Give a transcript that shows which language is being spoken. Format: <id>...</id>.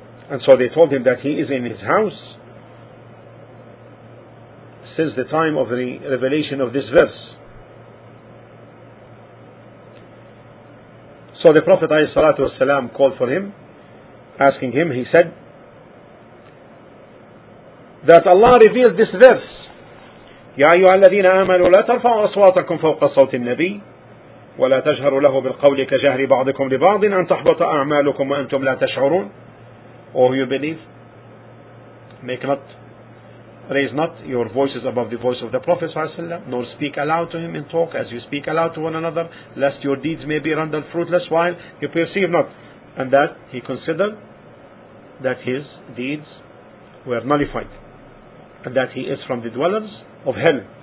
<en>And so they told him that he is in his house since the time of the revelation of this verse. So the Prophet ﷺ called for him, asking him, he said, that Allah revealed this verse,</en> <ar>يَا أَيُّهَا الَّذِينَ آمَنُوا لَا تَرْفَعُوا أَصْوَاتَكُمْ فَوْقَ صَوْتِ النَّبِيِّ وَلَا تَجْهَرُوا لَهُ بِالْقَوْلِ كَجَهْرِ بَعْضِكُمْ لِبَعْضٍ أَنْ تَحْبَطَ أَعْمَالُكُمْ وَأَنْتُمْ لَا تَشْعُرُونَ.</ar> <en>Oh, you believe, raise not your voices above the voice of the Prophet ﷺ, nor speak aloud to him in talk as you speak aloud to one another, lest your deeds may be rendered fruitless while you perceive not. And that he considered that his deeds were nullified and that he is from the dwellers of hell.</en>